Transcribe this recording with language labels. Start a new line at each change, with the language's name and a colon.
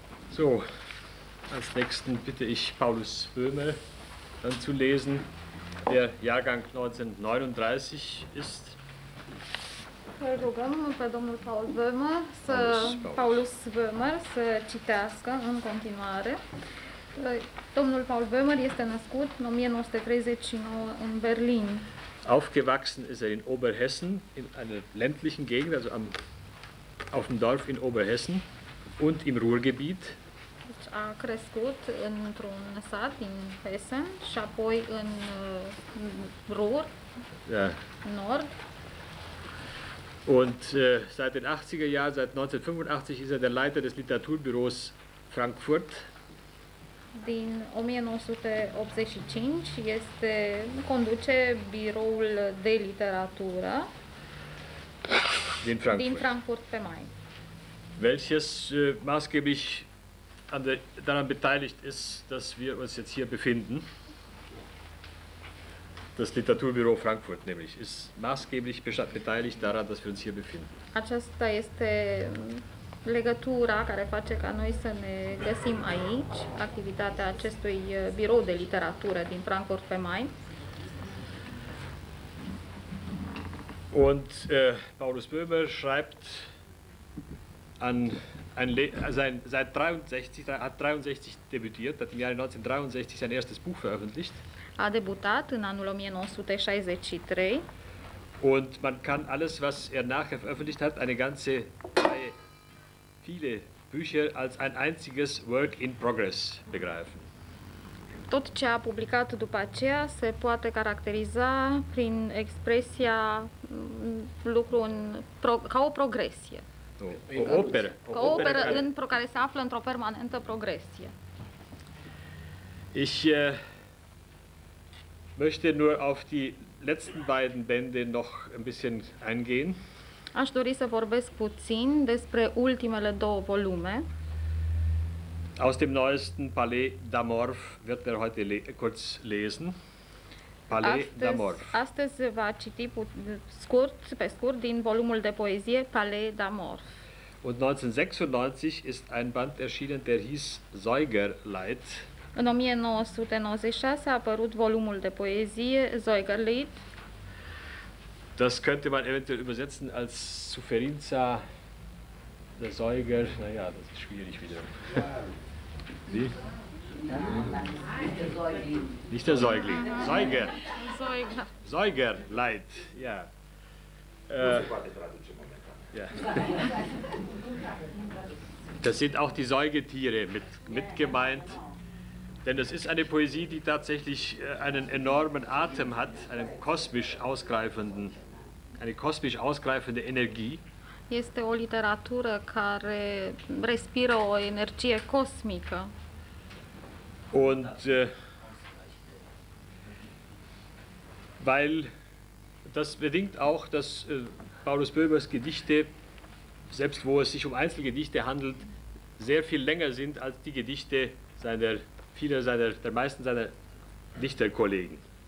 German: So, als nächsten bitte ich Paulus Böhme dann zu lesen, der Jahrgang 1939 ist.
Romanian: Îl rugăm pe domnul Paul Wömer să, Paulus Wömer să citească în continuare. Domnul Paul Wömer este născut în 1939 în Berlin.
German: Aufgewachsen ist in Oberhessen, in einer ländlichen Gegend, also auf dem Dorf in Oberhessen und im Ruhrgebiet.
Romanian: Deci a crescut într-un sat din Hessen și apoi în Ruhr, Nord.
German: Und seit den 80er Jahren, seit 1985, ist er der Leiter des Literaturbüros Frankfurt.
Romanian: Din 1985 este conduce biroul de literatură din Frankfurt, pe Main.
German: Welches maßgeblich daran beteiligt ist, dass wir uns jetzt hier befinden. Das Literaturbüro Frankfurt nämlich ist maßgeblich beteiligt daran, dass wir uns hier befinden.
Romanian: Aceasta este legătura care face ca noi să ne găsim aici, activitatea acestui birou de literatură din Frankfurt pe Main.
German: Und Paulus Böhme schreibt an seit 63 hat 63 debütiert, hat im Jahre 1963 sein erstes Buch veröffentlicht.
Romanian: a debutat în anul 1963.
German: Und man kann alles, was nachher veröffentlicht hat, eine ganze Reihe, viele Bücher, als ein einziges Work in Progress begreifen.
Romanian: Tot ce a publicat după aceea se poate caracteriza prin expresia lucru în, ca o progresie. O operă. Ca o operă în care se află într-o permanentă progresie.
German: Ich möchte nur auf die letzten beiden Bände noch ein bisschen eingehen.
Romanian: Aș dori să vorbesc puțin despre ultimele două volume.
German: Aus dem neuesten Palais d'Amorf wird er heute kurz lesen. Palais d'Amorf.
Romanian: Astăzi va citi scurt, pe scurt, din volumul de poezie Palais d'Amorf.
German: Und 1996 ist ein Band erschienen, der hieß Säugerleid.
Romanian: În 1996 a apărut volumul de poezie Säugerleid.
German: Das könnte man eventuell übersetzen als
Romanian: Suferinza,
German: der Säuger, naja, das ist schwierig wieder. Wie? Nicht der Säugling, Säuger. Säuger. Leid, ja. Das sind auch die Säugetiere mit gemeint, denn das ist eine Poesie, die tatsächlich einen enormen Atem hat, einen kosmisch ausgreifenden, eine kosmisch ausgreifende Energie.
Romanian: Este o literatură care respiră o energie cosmică.
German: Und weil das bedingt auch, dass Paulus Böhmers Gedichte, selbst wo es sich um Einzelgedichte handelt, sehr viel länger sind als die Gedichte der meisten seiner Dichterkollegen.